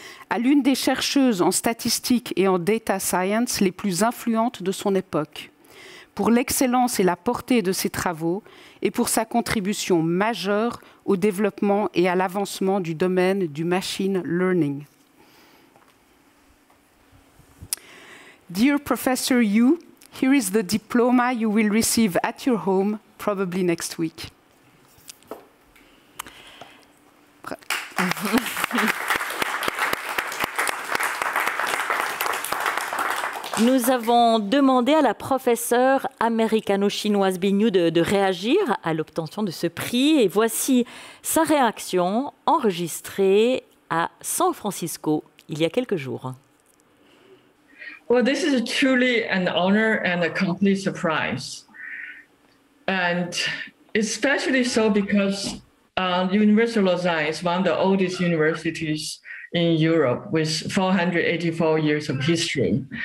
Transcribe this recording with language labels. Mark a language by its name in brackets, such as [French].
[French] À l'une des chercheuses en statistique et en data science les plus influentes de son époque, pour l'excellence et la portée de ses travaux et pour sa contribution majeure au développement et à l'avancement du domaine du machine learning. [English] Dear Professor Yu, here is the diploma you will receive at your home, probably next week. [French] Nous avons demandé à la professeure américano-chinoise Bin Yu de réagir à l'obtention de ce prix et voici sa réaction enregistrée à San Francisco il y a quelques jours. [English] Well, this is truly an honor and a complete surprise. And especially so because the University of Lausanne is one of the oldest universities in Europe with 484 years of history.